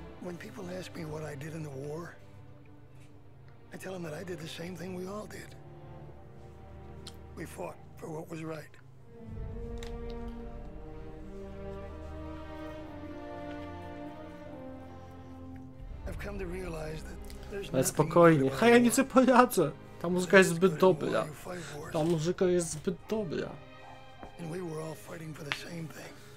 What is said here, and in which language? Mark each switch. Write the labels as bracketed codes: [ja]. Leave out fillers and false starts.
[en] When people ask me what I did in the war, I tell them that I did the same thing we all did. We fought for what was right. I've come to realize that there's [pl] spokojnie. Ha, ja nic nie poradzę. Ta muzyka jest zbyt dobra. Ta muzyka jest zbyt dobra. [en] And we were all fighting for the same thing.